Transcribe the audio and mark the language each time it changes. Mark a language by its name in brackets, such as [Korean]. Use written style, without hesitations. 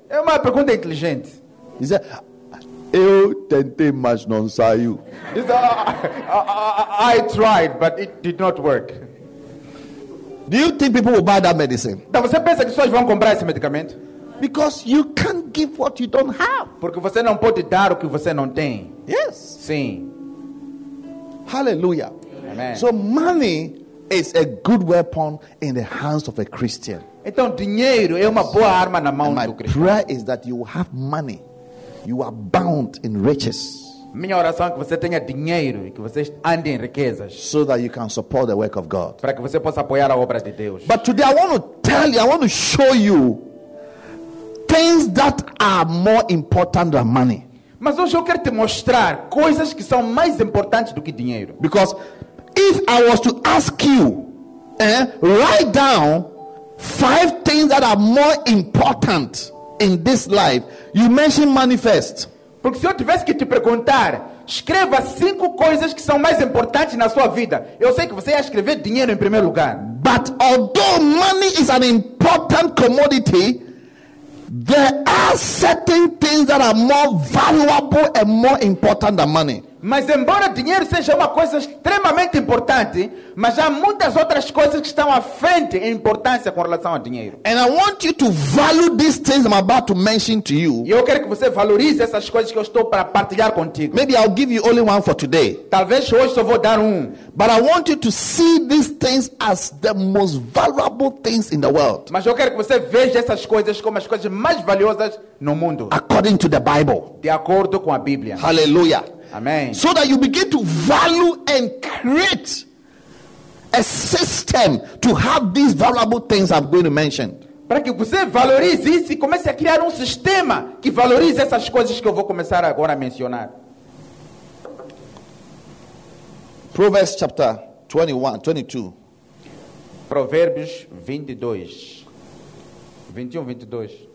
[Portuguese] É uma pergunta inteligente. [English] He said, [Portuguese] eu tentei, mas não saiu. [English] He said, I tried, but it did not work. Do you think people will buy that medicine? [Portuguese] Então você pensa que pessoas vão comprar esse medicamento? [English] Because you can't give what you don't have. [Portuguese] Porque você não pode dar o que você não tem. [English] Yes. [Portuguese] Sim. [English] Hallelujah. [Portuguese] Amen. [English] So money is a good weapon in the hands of a Christian. [Portuguese] Então dinheiro é uma boa arma na mão do cristão. [English] My prayer is that you have money. You are bound in riches. [Portuguese] Minha oração é que você tenha dinheiro e que você ande em riquezas. [English] So that you can support the work of God. [Portuguese] Para que você possa apoiar a obra de Deus. [English] But today I want to tell you, I want to show you things that are more important than money. [Portuguese] Mas hoje eu quero te mostrar coisas que são mais importantes do que dinheiro. [English] Because if I was to ask you, write down 5 things that are more important in this life, you mention money first. [Portuguese] Porque se eu tivesse que te perguntar Escreva cinco coisas que são mais importantes na sua vida. Eu sei que você ia escrever dinheiro em primeiro lugar. [English] But although money is an important commodity, there are certain things that are more valuable and more important than money. [Portuguese] Mas embora dinheiro seja uma coisa extremamente importante, mas há muitas outras coisas que estão à frente em importância com relação ao dinheiro. [English] And I want you to value these things I'm about to mention to you. [Portuguese] E eu quero que você valorize essas coisas que eu estou para partilhar contigo. [English] Maybe I'll give you only one for today. [Portuguese] Talvez hoje só vou dar um. [English] But I want you to see these things as the most valuable things in the world. [Portuguese] Mas eu quero que você veja essas coisas como as coisas mais valiosas no mundo. [English] According to the Bible. [Portuguese] De acordo com a Bíblia. [English] Hallelujah. [Portuguese] Amen. [English] So that you begin to value and create a system to have these valuable things I'm going to mention. [Portuguese] Para que você valorize isso e comece a criar um sistema que valorize essas coisas que eu vou começar agora a mencionar. [English] Proverbs chapter 22. [Portuguese] Provérbios 22. 21, 22.